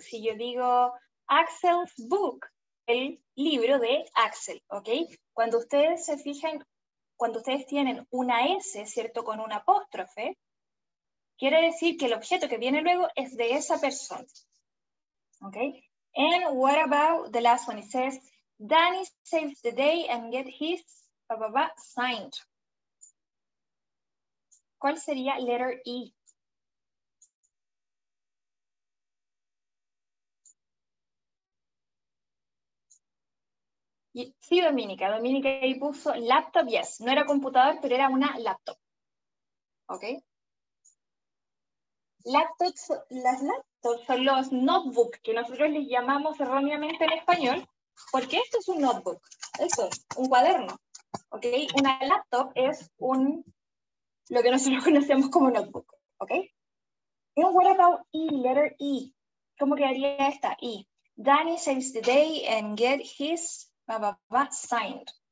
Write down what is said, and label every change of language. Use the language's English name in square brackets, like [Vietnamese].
[Spanish] Si yo digo, [English] Axel's book, [Spanish] el libro de Axel, ¿ok? Cuando ustedes se fijan, cuando ustedes tienen una S, ¿cierto? Con un apóstrofe, quiere decir que el objeto que viene luego es de esa persona, ¿ok? [English] And what about the last one? It says, Danny saves the day and get his signed. [Spanish] ¿Cuál sería [English] letter E? [Spanish] Sí, Dominica. Dominica ahí puso laptop, yes. No era computador, pero era una laptop. ¿Ok? Laptops, las laptops son los notebooks que nosotros les llamamos erróneamente en español, porque esto es un notebook. Esto, un cuaderno. ¿Ok? Una laptop es un, lo que nosotros conocemos como notebook. [English] ¿Ok? And what about E, letter E? [Spanish] ¿Cómo quedaría esta? [English] E. Danny saves the day and get his signed.